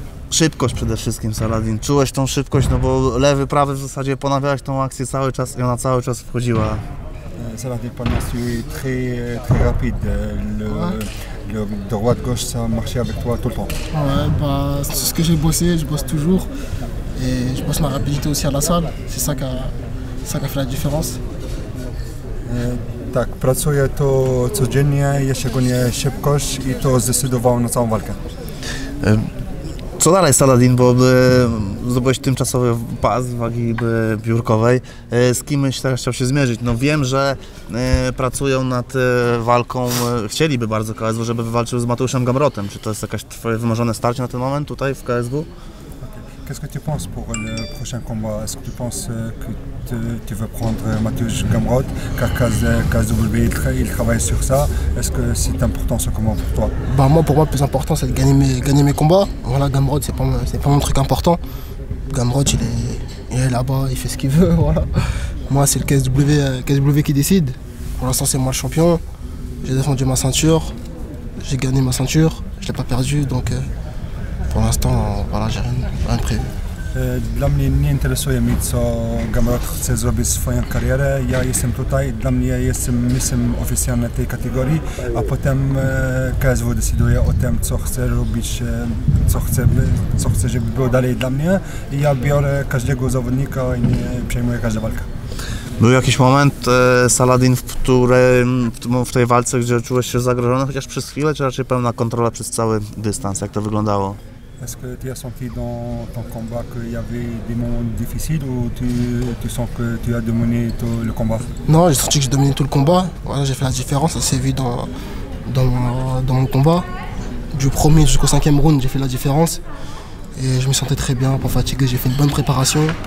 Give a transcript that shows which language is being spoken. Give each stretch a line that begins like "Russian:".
Polish: Szybkość przede wszystkim, Saladin. Czułeś tą szybkość, no bo lewy, prawy w zasadzie ponawiałeś tą akcję cały czas i ona cały czas wchodziła.
French: Saladin Parnas
Polish: jest
French: très rapide. Le droit de gauche, ça marchait avec toi tout le temps. Ouais, bah, c'est ce que j'ai bossé, je bosse toujours. Et je bosse ma rapidité aussi à la salle, c'est ça qui a fait la différence.
Polish: Tak, pracuję to codziennie, szczególnie szybkość i to zdecydowało na całą walkę. Co dalej, Saladin, bo zdobyłeś tymczasowy pas wagi biurkowej. Z kimś teraz chciał się zmierzyć? No wiem, że pracują nad walką, chcieliby bardzo KSW, żeby wywalczył z Mateuszem Gamrotem. Czy to jest jakieś twoje wymarzone starcie na ten moment tutaj w KSW?
French: Qu'est-ce que tu penses pour le prochain combat? Est-ce que tu penses que tu veux prendre Mateusz Gamrot? Car KSW, il travaille sur ça. Est-ce que c'est important ce combat pour toi? Bah moi, pour moi, le plus important, c'est de gagner mes combats. Voilà, Gamrot, c'est pas mon truc important. Gamrot, il est là-bas, il fait ce qu'il veut, voilà. Moi, c'est le KSW qui décide. Pour l'instant, c'est moi le champion. J'ai défendu ma ceinture. J'ai gagné ma ceinture. Je l'ai pas perdu, donc... Pour l'instant, voilà, j'ai rien prévu.
Polish: Dla mnie nie interesuje mi, co Gamrot chce zrobić swoją karierę. Ja jestem tutaj, dla mnie jestem mistrzem oficjalnym tej kategorii, a potem KSW decyduje o tym, co chce robić, co chce, żeby było dalej dla mnie. I ja biorę każdego zawodnika i nie przejmuję każdą walkę. Był jakiś moment, Saladin, w tej walce, gdzie czułeś się zagrożony, chociaż przez chwilę, czy raczej pełna kontrola przez cały dystans? Jak to wyglądało?
French: Est-ce que tu as senti dans ton combat qu'il y avait des moments difficiles ou tu sens que tu as dominé tout le combat? Non, j'ai senti que j'ai dominé tout le combat. Voilà, j'ai fait la différence, ça s'est vu dans mon combat. Du premier jusqu'au cinquième round, j'ai fait la différence. Et je me sentais très bien, pas fatigué, j'ai fait une bonne préparation.